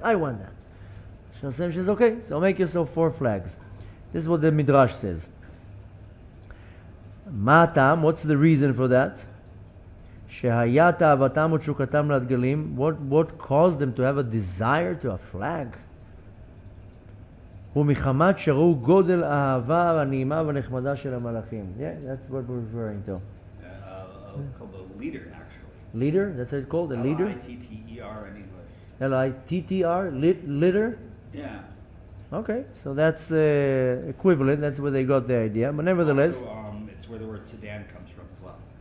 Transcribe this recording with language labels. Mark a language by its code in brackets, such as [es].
[en] Shasem says, okay, so make yourself four flags. This is what the Midrash says. Matam, what's the reason for that? [he] Shehayata avatam utshukatam latgalim. [en] What caused them to have a desire to a flag? [he] ומחמת שראו גודל אהבה הנעימה והנחמדה של המלאכים. [en] Yeah, that's what we're referring to. Called the leader, actually. Leader? That's what it's called? The leader? L-I-T-T-E-R in English. L-I-T-T-R? Leader? Yeah. Okay, so that's equivalent. That's where they got the idea. But nevertheless... Also, it's where the word sedan comes from as well.